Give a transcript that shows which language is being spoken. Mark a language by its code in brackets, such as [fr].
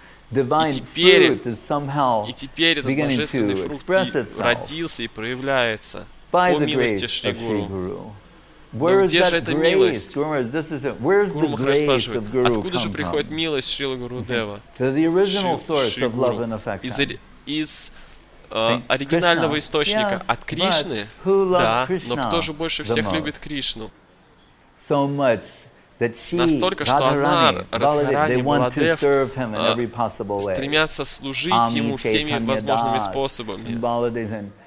[ru] И теперь этот божественный фрукт родился и проявляется по милости Шри Гуру. [en] Where is that grace? Гурумараш, this is it. Where is the grace of Guru? [ru] Откуда же приходит милость Шрилы Гурудева? [en] To the original source of love and affection. [ru] Из оригинального источника, от Кришны. Да, но кто же больше всех любит Кришну? [en] So much that she, [ru] настолько, что она, Радхарани, Баладев, стремятся служить ему всеми возможными способами.